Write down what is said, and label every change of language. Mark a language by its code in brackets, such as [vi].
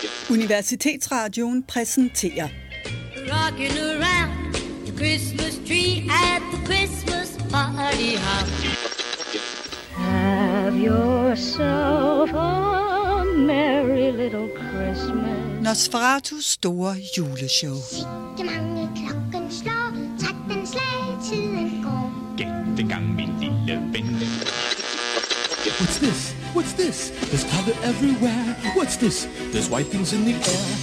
[da] Universitetsradioen præsenterer. [en] Rockin' around the Christmas tree at the Christmas party hop. Have yourself a merry little Christmas. [da] Nosferatus store juleshow. Sikke mange klokken slår, træk den slag, tiden går. Gæt den gang, min lille ven. [en] What's this? What's this? There's color everywhere. What's this? There's white things in the air.